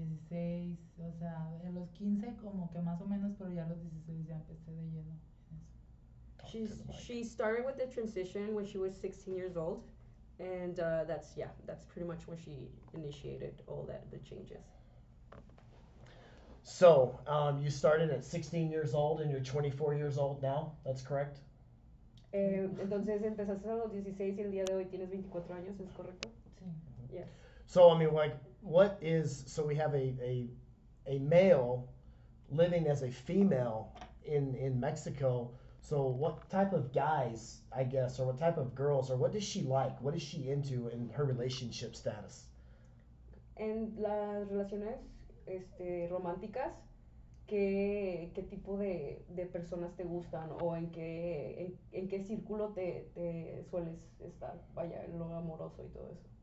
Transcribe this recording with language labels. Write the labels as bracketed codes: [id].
[es] 16, o sea, en los 15 como que más o menos, pero ya los 16 ya empecé de lleno. [en] She started with the transition when she was 16 years old, and that's pretty much when she initiated all that, the changes. So, you started at 16 years old and you're 24 years old now, that's correct? [es] Entonces empezaste a los 16 y el día de hoy tienes 24 años, ¿es correcto? Sí. [en] Yes. So, I mean, like, what is, so we have a male living as a female in Mexico. So what type of guys, I guess, or what type of girls, or what does she like? What is she into in her relationship status? [es] En las relaciones románticas, ¿qué tipo de personas te gustan? O en qué círculo te sueles estar, vaya, en lo amoroso y todo eso.